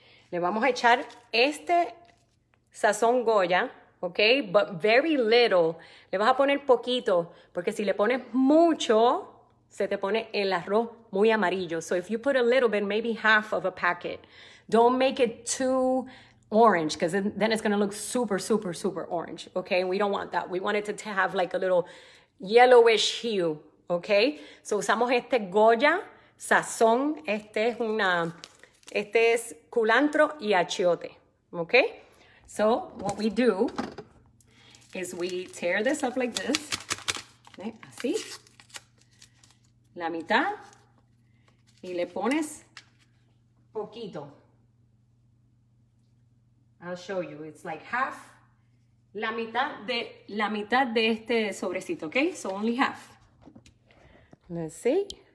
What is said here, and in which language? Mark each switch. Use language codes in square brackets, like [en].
[es] Le vamos a echar este sazón Goya, ¿ok? [en] But very little. [es] Le vas a poner poquito, porque si le pones mucho, se te pone el arroz muy amarillo. [en] So if you put a little bit, maybe half of a packet. Don't make it too orange, because then it's going to look super, super, super orange, ¿ok? We don't want that. We want it to have like a little yellowish hue, ¿ok? [es] So usamos este Goya sazón. Este es una... Este es culantro y achiote, okay? [en] So what we do is we tear this up like this, okay? [es] Así, la mitad, y le pones poquito. [en] I'll show you. It's like half, [es] la mitad de este sobrecito, [en] okay? So only half. Let's see.